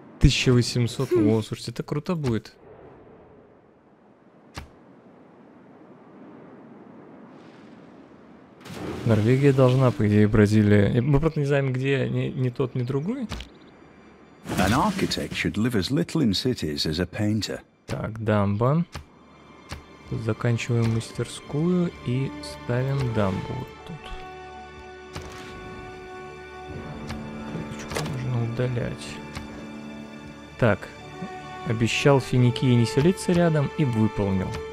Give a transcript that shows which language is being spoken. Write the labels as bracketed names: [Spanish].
[Russian] О, слушайте, это круто будет. Норвегия должна, по идее, Бразилия. Мы просто не знаем, где ни тот, ни другой. [English] An architect should live as little in cities as a painter. [Russian] Так, дамба. Заканчиваем мастерскую и ставим дамбу вот тут. Что нужно удалять? Так, обещал Финикии не селиться рядом и выполнил.